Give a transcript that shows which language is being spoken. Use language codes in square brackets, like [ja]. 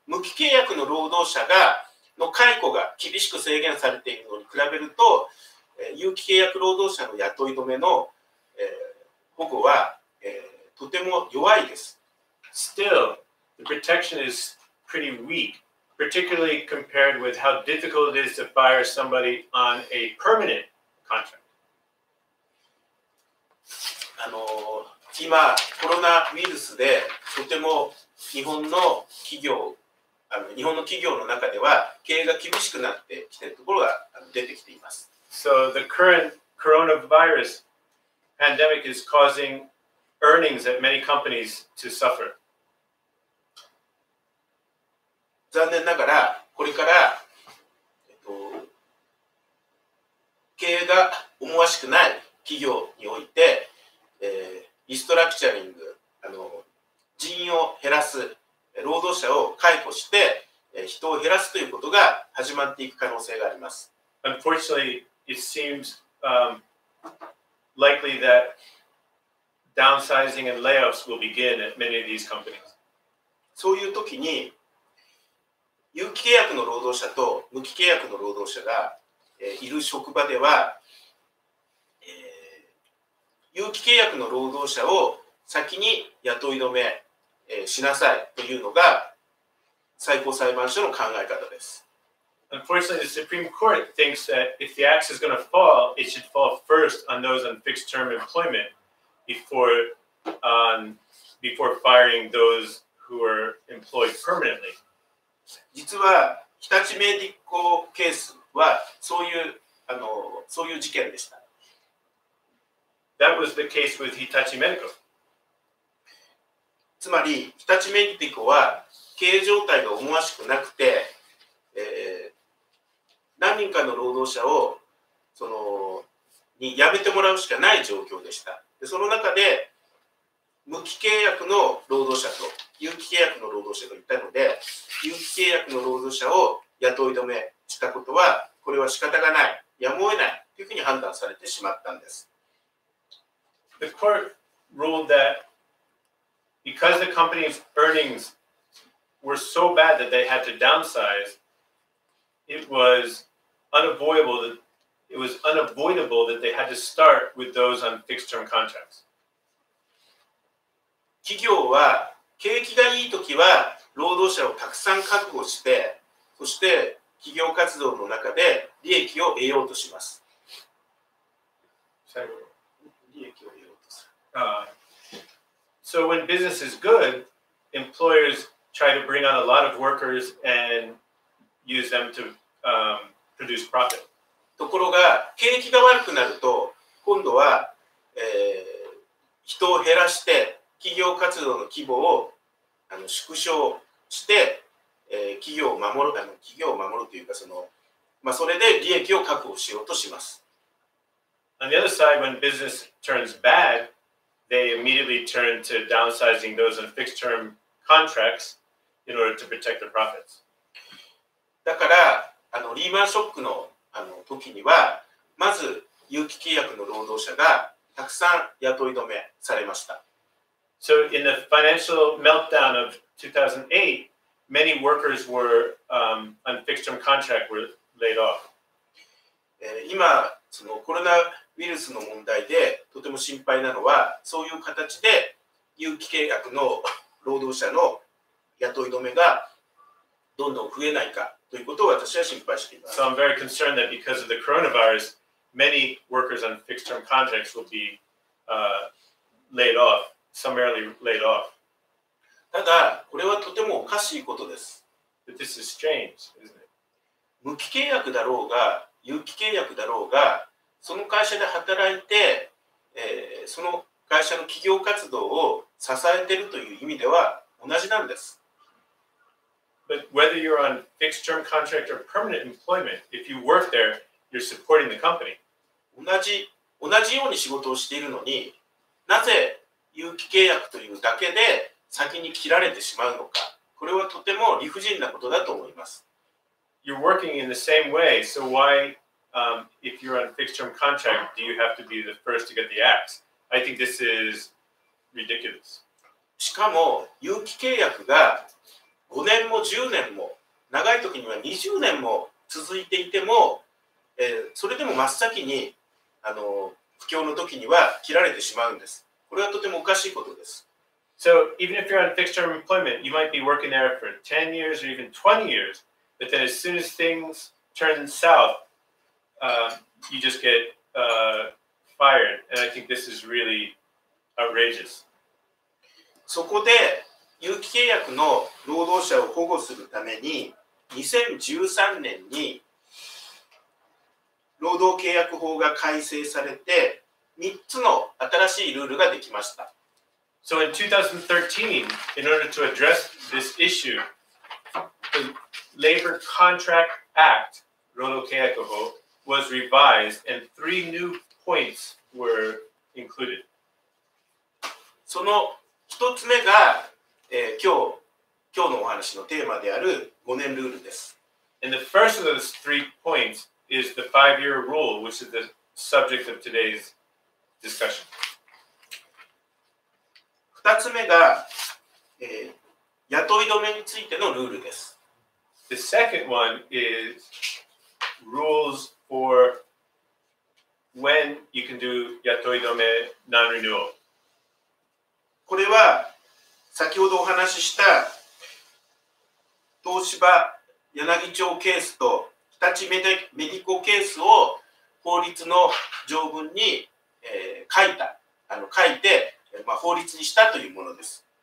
[ja] 無期契約の労働者がの解雇が厳しく制限されているのに比べると、有期契約労働者の雇い止めの、保護は、とても弱いです。 [en] still, the protection is pretty weak, particularly compared with how difficult it is to fire somebody on a permanent contract. [ja] あの、今、コロナウイルスで、とても日本の企業、あの、日本の企業の中では、経営が厳しくなってきているところが出てきています。 [en] So the current coronavirus pandemic is causing earnings at many companies to suffer. [ja] 残念ながらこれから、経営が思わしくない企業において、リストラクチャリング、あの、人員を減らす、労働者を解雇して、人を減らすということが始まっていく可能性があります。 [en] Unfortunately, it seems, likely that downsizing and layoffs will begin at many of these companies. [ja] そういう時に、有期契約の労働者と無期契約の労働者が、いる職場では、有期契約の労働者を先に雇い止め、しなさいというのが最高裁判所の考え方です。 [en] Unfortunately, the Supreme Court thinks that if the axe is going to fall, it should fall first on those on fixed term employment before, before firing those who are employed permanently. [ja] 実は、日立メディコケースはそういう、あの、そういう事件でした。 [en] That was the case with Hitachi Medical. [ja] つまり、日立メディコは経営状態が思わしくなくて、何人かの労働者をそのに辞めてもらうしかない状況でした。で、その中で無期契約の労働者と有期契約の労働者といったので、有期契約の労働者を雇い止めしたことは、これは仕方がない、やむを得ないというふうに判断されてしまったんです。 [en] The court ruled that because the company's earnings were so bad that they had to downsize, it was unavoidable that they had to start with those on fixed term contracts. [ja] 企業は景気がいいときは労働者をたくさん確保して、そして企業活動の中で利益を得ようとします。最後、利益を得ようとする。 [en] So when business is good, employers try to bring on a lot of workers and use them to, produce profit. [ja] ところが、景気が悪くなると、今度は、人を減らして、企業活動の規模を、あの、縮小して、企業を守る、あの、企業を守るというか、その、まあ、それで利益を確保しようとします。 [en] On the other side, when business turns bad, they immediately turn to downsizing those on fixed term contracts in order to protect their profits. [ja] だから、あの、リーマンショックの、あの、時には、まず、有期契約の労働者がたくさん雇い止めされました。 [en] So in the financial meltdown of 2008, many workers were, on fixed term contract were laid off. [ja] 今、そのコロナウイルスの問題でとても心配なのは、そういう形で有期契約の労働者の雇い止めがどんどん増えないかということを私は心配しています。 [en] So I'm very concerned that because of the coronavirus, many workers on fixed term contracts will be, laid off. Summarily laid off. [ja] ただ、これはとてもおかしいことです。 [en] But this is strange, isn't it? [ja] 無期契約だろうが、有期契約だろうが、その会社で働いて、その会社の企業活動を支えているという意味では同じなんです。 [en] But whether you're on fixed term contract or permanent employment, if you work there, you're supporting the company. [ja] 同じように仕事をしているのに、なぜ有期契約というだけで先に切られてしまうのか、これはとても理不尽なことだと思います。 [en] You're working in the same way, so why, if you're on a fixed term contract, do you have to be the first to get the axe? I think this is ridiculous. [ja] しかも、有期契約が5年も10年も、長い時には20年も続いていても、それでも真っ先に、あの、不況の時には切られてしまうんです。これはとてもおかしいことです。 [en] So even if you're on fixed term employment, you might be working there for 10 years or even 20 years, but then as soon as things turn south, you just get fired. And I think this is really outrageous. [ja] そこで有期契約の労働者を保護するために2013年に労働契約法が改正されて3つの新しいルールができました。 [en] So in 2013, in order to address this issue, the Labor Contract Act 労働契約法 was revised and three new points were included. [ja] その一つ目が、今日のお話のテーマである5年ルールです。 [en] And the first of those three points is the five-year rule, which is the subject of today's discussion. [ja] 二つ目が、雇い止めについてのルールです。 [en] The second one is rules for when you can do 雇い止め non-renewal. [ja] これは先ほどお話しした東芝柳町ケースと日立メディコケースを法律の条文に、書いて、法律にしたというものです。